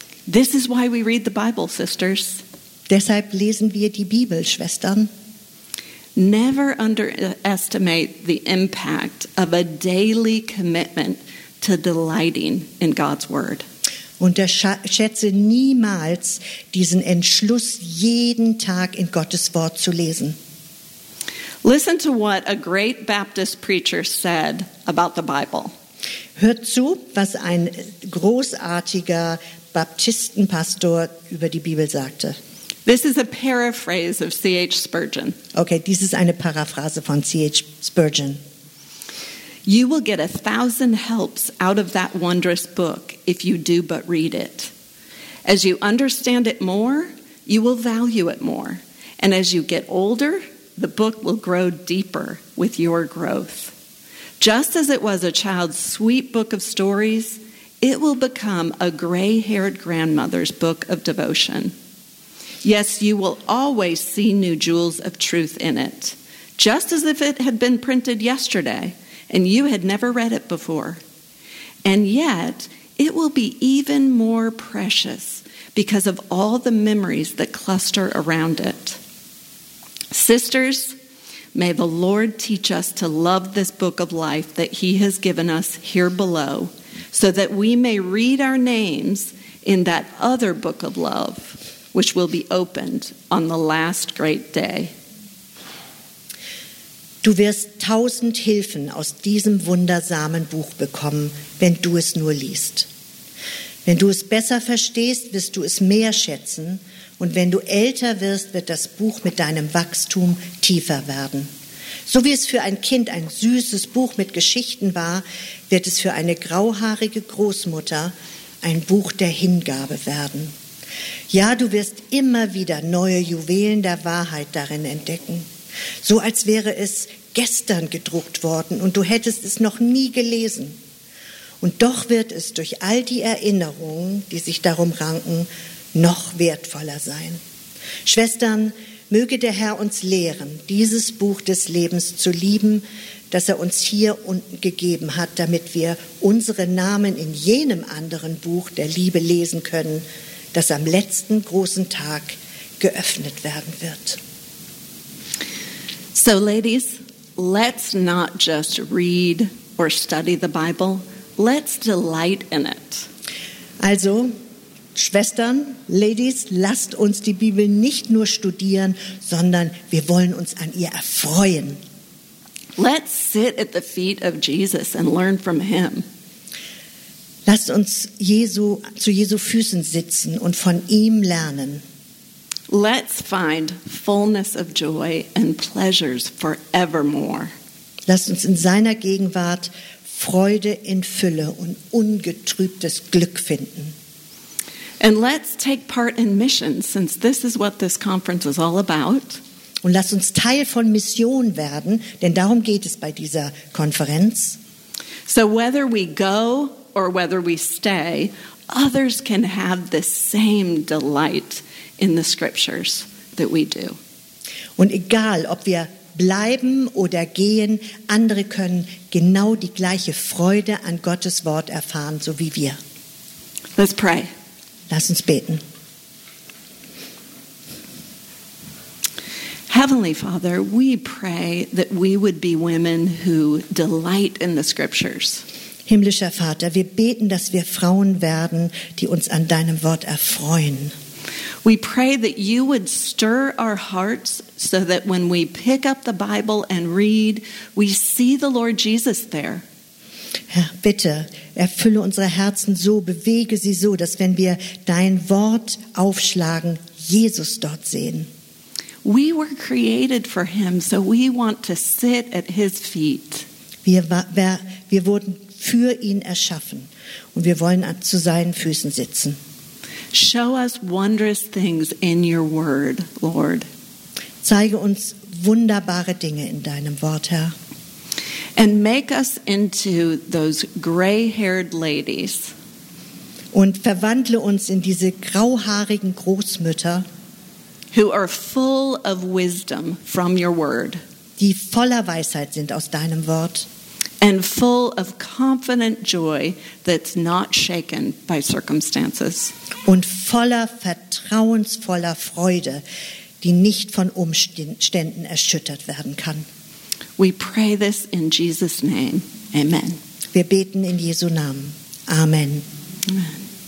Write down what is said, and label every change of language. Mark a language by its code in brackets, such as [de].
[en] This is why we read the Bible, sisters. [de] Deshalb lesen wir die Bibel, Schwestern. [en] Never underestimate the impact of a daily commitment to delighting in God's word. [de] Unterschätze niemals diesen Entschluss, jeden Tag in Gottes Wort zu lesen. [en] Listen to what a great Baptist preacher said about the Bible. [de] Hört zu, was ein großartiger Baptistenpastor über die Bibel sagte. [en] This is a paraphrase of C.H. Spurgeon. [de] Okay, dies ist eine Paraphrase von C.H. Spurgeon. [en] You will get 1,000 helps out of that wondrous book if you do but read it. As you understand it more, you will value it more. And as you get older, the book will grow deeper with your growth. Just as it was a child's sweet book of stories, it will become a gray-haired grandmother's book of devotion. Yes, you will always see new jewels of truth in it, just as if it had been printed yesterday and you had never read it before. And yet, it will be even more precious because of all the memories that cluster around it. Sisters, may the Lord teach us to love this book of life that he has given us here below, so that we may read our names in that other book of love, which will be opened on the last great day. [de] Du wirst 1,000 Hilfen aus diesem wundersamen Buch bekommen, wenn du es nur liest. Wenn du es besser verstehst, wirst du es mehr schätzen, und wenn du älter wirst, wird das Buch mit deinem Wachstum tiefer werden. So wie es für ein Kind ein süßes Buch mit Geschichten war, wird es für eine grauhaarige Großmutter ein Buch der Hingabe werden. Ja, du wirst immer wieder neue Juwelen der Wahrheit darin entdecken. So als wäre es gestern gedruckt worden und du hättest es noch nie gelesen. Und doch wird es durch all die Erinnerungen, die sich darum ranken, noch wertvoller sein. Schwestern, möge der Herr uns lehren, dieses Buch des Lebens zu lieben, das er uns hier unten gegeben hat, damit wir unsere Namen in jenem anderen Buch der Liebe lesen können, das am letzten großen Tag geöffnet werden wird. [en] So, ladies, let's not just read or study the Bible, let's delight in it. [de] Also, Schwestern, Ladies, lasst uns die Bibel nicht nur studieren, sondern wir wollen uns an ihr erfreuen. [en] Let's sit at the feet of Jesus and learn from him. [de] Lasst uns zu Jesu Füßen sitzen und von ihm lernen. [en] Let's find fullness of joy and pleasures forevermore. [de] Lasst uns in seiner Gegenwart Freude in Fülle und ungetrübtes Glück finden. [en] And let's take part in missions, since this is what this conference is all about. [de] Und lasst uns Teil von Mission werden, denn darum geht es bei dieser Konferenz. [en] So whether we go or whether we stay, others can have the same delight in the scriptures that we do. [de] Und egal, ob wir bleiben oder gehen, andere können genau die gleiche Freude an Gottes Wort erfahren, so wie wir. [en] Let's pray. [de] Lass uns beten. [en] Heavenly Father, we pray that we would be women who delight in the scriptures. [de] Himmlischer Vater, wir beten, dass wir Frauen werden, die uns an deinem Wort erfreuen. [en] We pray that you would stir our hearts so that when we pick up the Bible and read, we see the Lord Jesus there. [de] Herr, bitte, erfülle unsere Herzen so, bewege sie so, dass wenn wir dein Wort aufschlagen, Jesus dort sehen. [en] We were created for him, so we want to sit at his feet. [de] Wir wurden für ihn erschaffen und wir wollen zu seinen Füßen sitzen. [en] Show us wondrous things in your word, Lord. [de] Zeige uns wunderbare Dinge in deinem Wort, Herr. [en] And make us into those gray-haired ladies. [de] Und verwandle uns in diese grauhaarigen Großmütter, [en] who are full of wisdom from your word. [de] Die voller Weisheit sind aus deinem Wort. [en] And full of confident joy that's not shaken by circumstances. [de] Und voller vertrauensvoller Freude, die nicht von Umständen erschüttert werden kann. [en] We pray this in Jesus' name. Amen. [de] Wir beten in Jesu Namen. Amen. Amen.